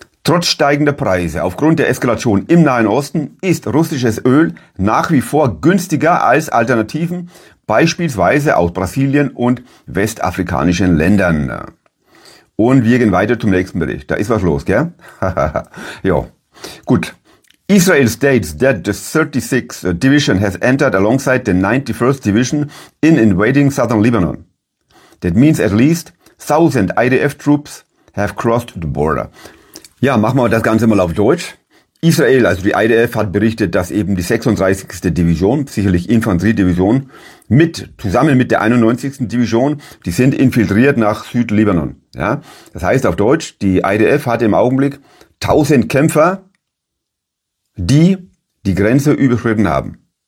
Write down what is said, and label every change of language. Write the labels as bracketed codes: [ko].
[de] Trotz steigender Preise aufgrund der Eskalation im Nahen Osten ist russisches Öl nach wie vor günstiger als Alternativen, beispielsweise aus Brasilien und westafrikanischen Ländern. Und wir gehen weiter zum nächsten Bericht. Da ist was los, gell? Ja, gut. [en] Israel states that the 36th Division has entered alongside the 91st Division in invading southern Lebanon. That means at least 1,000 IDF troops have crossed the border. [de] Ja, machen wir das Ganze mal auf Deutsch. Israel, also die IDF, hat berichtet, dass eben die 36. Division, sicherlich Infanteriedivision, zusammen mit der 91. Division, die sind infiltriert nach Südlibanon. Ja, das heißt auf Deutsch, die IDF hat im Augenblick 1,000 Kämpfer, die Grenze überschritten haben.